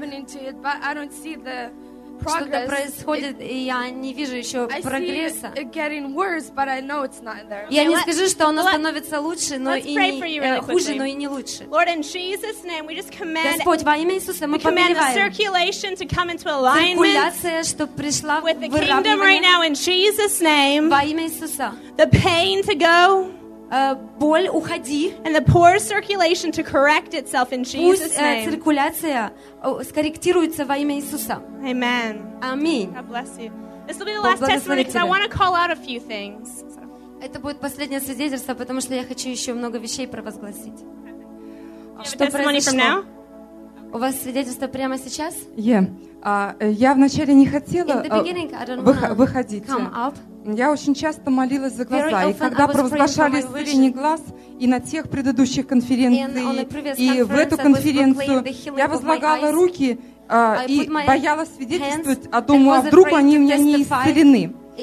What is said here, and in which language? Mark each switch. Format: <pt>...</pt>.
<en>Happening to it, but I don't see the progress.</en> <ru>Что-то происходит, и я не вижу еще прогресса.</ru> <en>I see it getting worse, but I know it's not there.</en> <ru>Я не скажу, что оно становится лучше, но и хуже, но и не лучше.</ru> <en>Lord, in Jesus' name, we just command.</en> <ru>Господь, во имя Иисуса, мы повелеваем.</ru> <en>Circulation to come into alignment.</en> <ru>Циркуляция, чтобы пришла в выравнивание.</ru> <en>With the kingdom right now, in Jesus' name.</en> <ru>Во имя Иисуса.</ru> <en>The pain to go.</en> <ru>Боль уходи.</ru> <en>And the poor circulation to correct itself in Jesus' name.</en> <ru>Пусть циркуляция скорректируется во имя Иисуса.</ru> <en>Amen.</en> <ru>Аминь.</ru> <en>God bless you. This will be the last testimony because I want to call out a few things.</en> <ru>Это будет последнее свидетельство, потому что я хочу еще много вещей провозгласить. Что произошло? У вас свидетельство прямо сейчас? Я вначале не хотела выходить. Я очень часто молилась за глаза, и когда провозглашали исцеление глаз и на тех предыдущих конференциях, и в эту конференцию, я возлагала руки и боялась свидетельствовать, а думала, вдруг они у меня не исцелены.</ru>